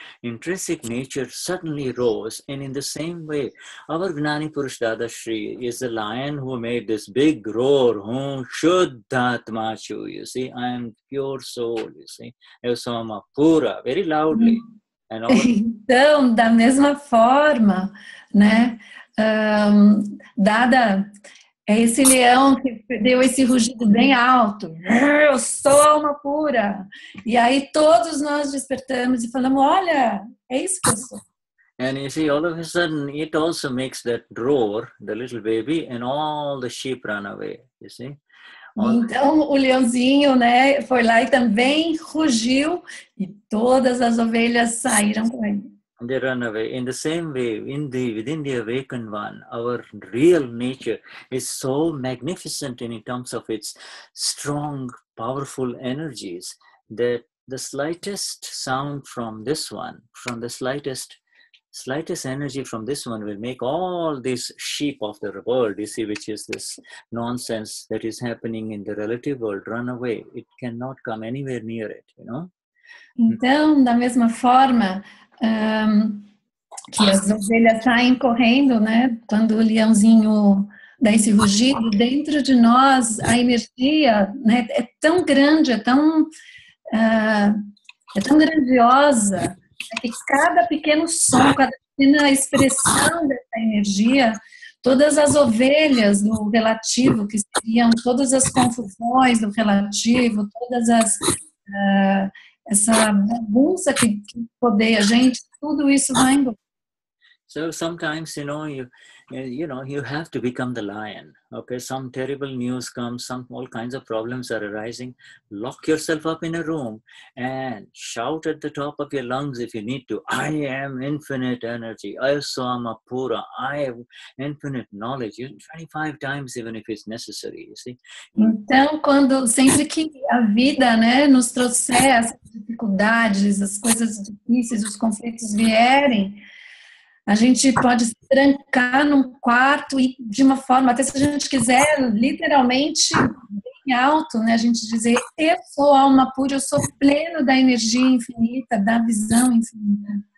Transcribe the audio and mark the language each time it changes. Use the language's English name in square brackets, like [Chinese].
[English] Intrinsic nature suddenly rose, and in the same way, our Gnani Purush Dadashri is the lion who made this big roar, whom Shuddhatma, you see, I am pure soul, you see, [Portuguese] eu sou uma pura, [English] very loudly. And all... [Portuguese] Então, da mesma forma, né, Dada é esse leão que deu esse rugido bem alto. Eu sou alma pura. E aí todos nós despertamos e falamos, olha, é isso que eu sou. [English] And you see, all of a sudden, it also makes that roar, the little baby, and all the sheep run away, you see. [Portuguese] Então, o leãozinho, né, foi lá e também rugiu e todas as ovelhas saíram com ele. [English] And they run away. In the same way, within the awakened one, our real nature is so magnificent in terms of its strong, powerful energies that the slightest sound from this one, from the slightest energy from this one will make all these sheep of the world, you see, which is this nonsense that is happening in the relative world, run away. It cannot come anywhere near it, you know? [Portuguese] Então, da mesma forma, que as ovelhas saem correndo, né? Quando o leãozinho dá esse rugido, dentro de nós a energia, né, é tão grande, é tão grandiosa, né, que cada pequeno som, cada pequena expressão dessa energia, todas as ovelhas do relativo, que seriam todas as confusões do relativo, todas as essa bagunça que rodeia a gente, tudo isso vai embora. [English] So sometimes, you know, you have to become the lion. Okay, some terrible news comes, some all kinds of problems are arising. Lock yourself up in a room and shout at the top of your lungs if you need to. I am infinite energy. I am pura. I have infinite knowledge. You 25 times even if it's necessary, you see. [Portuguese] Então, quando sempre que a vida, né, nos trouxer as dificuldades, as coisas difíceis, os conflitos vierem, a gente pode se trancar num quarto e de uma forma, até se a gente quiser, literalmente, bem alto, né? A gente dizer, eu sou alma pura, eu sou pleno da energia infinita, da visão infinita.